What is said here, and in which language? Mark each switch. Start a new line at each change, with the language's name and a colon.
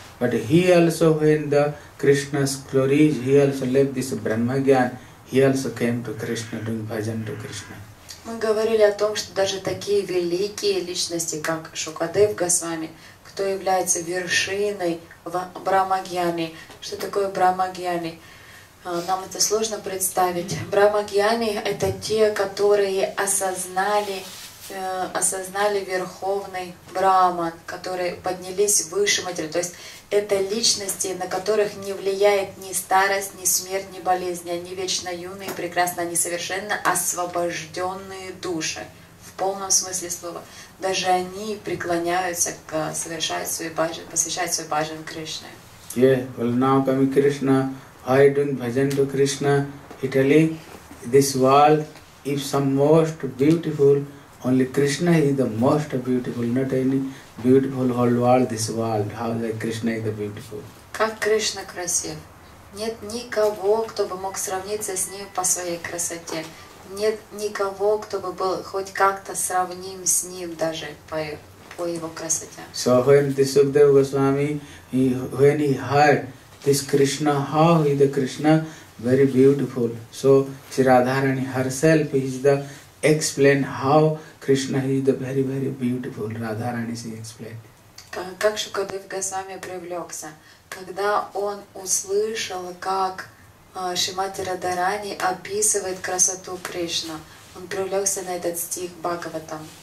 English: But he also, when the Krishna's glory, he also left this Brahma Gyan, he also came to Krishna, doing bhajan to Krishna.
Russian: Мы говорили о том, что даже такие великие личности, как Шукадев Госвами, кто является вершиной Брахмагьяни. Что такое Брахмагьяни? Нам это сложно представить. Брахмагьяни — это те, которые осознали Верховный Брахман, которые поднялись выше матери. То есть это личности, на которых не влияет ни старость, ни смерть, ни болезнь. Они вечно юные, прекрасно, они совершенно освобожденные души. В полном смысле слова. Даже они преклоняются к совершать свой баджан, посвящать свой баджан Кришне.
English: Yeah, well now coming Krishna, why doing bhajan to Krishna? He telling this world, if some most beautiful, only Krishna is the most beautiful, not any beautiful whole world, this world. How like Krishna is the beautiful?
Russian: Как Кришна красив. Нет никого, кто бы мог сравниться с ним по своей красоте. Нет никого, кто бы был хоть как-то сравним с ним даже по его красоте.
English: So when the Sukhdev Goswami, when he heard this Krishna, how is the Krishna very beautiful. So Chiradharani herself is the explain how Krishna is the very, very beautiful. Radharani she explained.
Russian: как Шукадев Госвами привлекся, когда он услышал, как Шримати Радхарани описывает красоту Кришны, он привлекся на этот стих Бхагаватам.